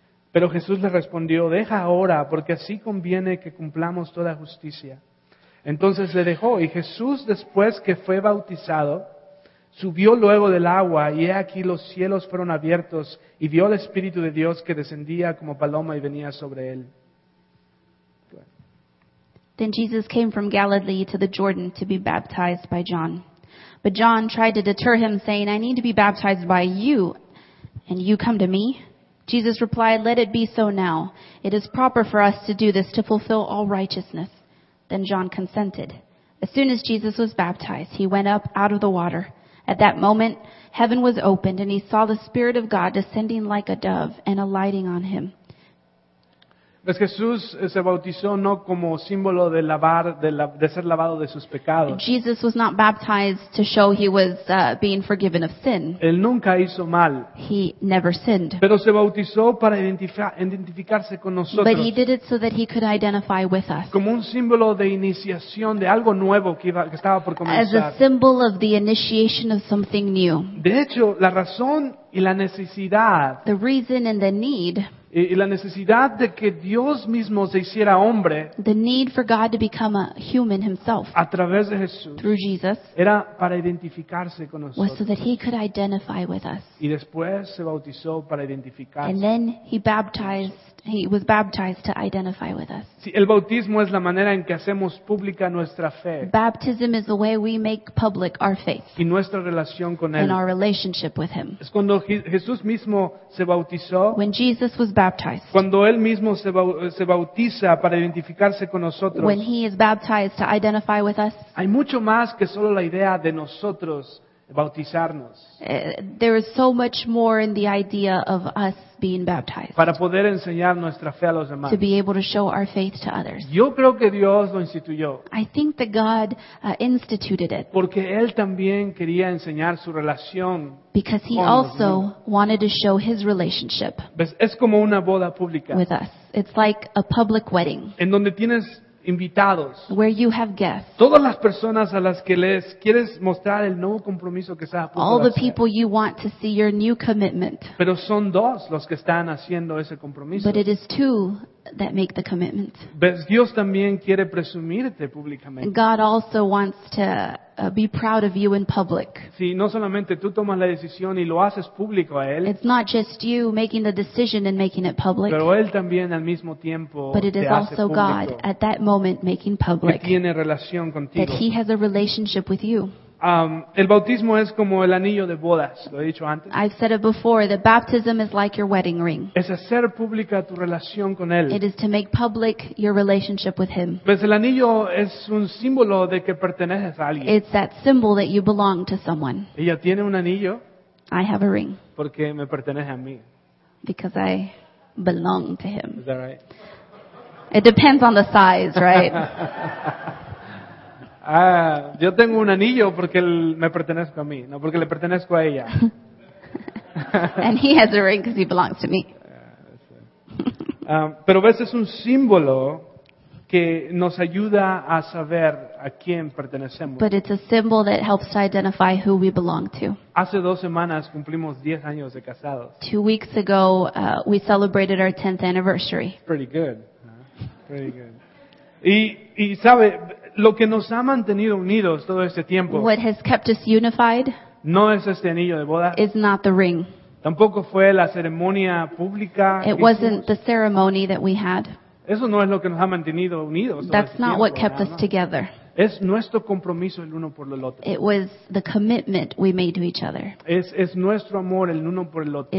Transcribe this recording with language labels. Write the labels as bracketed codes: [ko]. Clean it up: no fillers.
[es] Pero Jesús le respondió, deja ahora, porque así conviene que cumplamos toda justicia. Entonces le dejó, y Jesús, después que fue bautizado, subió luego del agua, y he aquí los cielos fueron abiertos, y vio el Espíritu de Dios que descendía como paloma y venía sobre él. [en] Then Jesus came from Galilee to the Jordan to be baptized by John. But John tried to deter him, saying, I need to be baptized by you, and you come to me? Jesus replied, let it be so now. It is proper for us to do this to fulfill all righteousness. Then John consented. As soon as Jesus was baptized, he went up out of the water. At that moment, heaven was opened, and he saw the Spirit of God descending like a dove and alighting on him. [es] Pues Jesús se bautizó no como símbolo de lavar, de ser lavado de sus pecados. [en] Jesus was not baptized to show he was being forgiven of sin. [es] Él nunca hizo mal. [en] He never sinned. [es] Pero se bautizó para identificarse con nosotros. [en] But he did it so that he could identify with us. [es] Como un símbolo de iniciación de algo nuevo que estaba por comenzar. [en] As a symbol of the initiation of something new. [es] De hecho, la razón y la necesidad. [en] The reason and the need. [es] Y la necesidad de que Dios mismo se hiciera hombre, [en] the need for God to become a human himself, [es] a través de Jesús, [en] through Jesus, [es] era para identificarse con nosotros, [en] was so that he could identify with us. [es] Y después se bautizó para identificarse. [en] And then he was baptized to identify with us. [es] Sí, el bautismo es la manera en que hacemos pública nuestra fe. [en] Baptism is the way we make public our faith. [es] Y nuestra relación con él. [en] And our relationship with him. [es] Es cuando Jesús mismo se bautizó. [en] When Jesus was baptized. [es] Cuando él mismo se bautiza para identificarse con nosotros. [en] When he is baptized to identify with us. [es] Hay mucho más que solo la idea de nosotros bautizarnos. [en] There is so much more in the idea of us being baptized. [es] Para poder enseñar nuestra fe a los demás. [en] To be able to show our faith to others. [es] Yo creo que Dios lo instituyó. [en] I think that God instituted it. [es] Porque él también quería enseñar su relación. [en] Because he also wanted to show his relationship. [es] Es como una boda pública. [en] With us. It's like a public wedding. [es] En donde tienes invitados. [en] Where you have guests. [es] Todas las personas a las que les quieres mostrar el nuevo compromiso que estás a punto de hacer. [en] All the people you want to see your new commitment. [es] Pero son dos los que están haciendo ese compromiso. [en] But it is two that make the commitment. [es] Pues Dios también quiere presumirte públicamente. [en] God also wants to be proud of you in public. [es] Sí, no solamente tú tomas la decisión y lo haces público a él. [en] It's not just you making the decision and making it public. [es] Pero él también al mismo tiempo. [en] But it is also God at that moment making public. [es] Que tiene relación contigo. [en] That he has a relationship with you. [es] El bautismo es como el anillo de bodas, lo he dicho antes. [en] I've said it before, that baptism is like your wedding ring. [es] Es hacer pública tu relación con él. [en] It is to make public your relationship with him. [es] Pues el anillo es un símbolo de que perteneces a alguien. [en] It's that symbol that you belong to someone. [es] Ella tiene un anillo. [en] I have a ring. [es] Porque me pertenece a mí. [en] Because I belong to him. Is that right? It depends on the size, right? [es] Ah, yo tengo un anillo porque él me pertenezco a mí, no porque le pertenezco a ella. [en] And he has a ring because he belongs to me. [es] Pero ves, es un símbolo que nos ayuda a saber a quién pertenecemos. [en] But it's a symbol that helps to identify who we belong to. [es] Hace dos semanas cumplimos 10 años de casados. [en] 2 weeks ago, we celebrated our 10th anniversary. Pretty good. Pretty good. [es] Y sabe, lo que nos ha mantenido unidos todo este tiempo. [en] What has kept us unified? [es] No es este anillo de boda. [en] It's not the ring. [es] Tampoco fue la ceremonia pública. [en] It wasn't the ceremony that we had. [es] Eso no es lo que nos ha mantenido unidos. [en] That's not what kept us together. [es] Es nuestro compromiso el uno por el otro. [en] It was the commitment we made to each other. [es] Es nuestro amor el uno por el otro.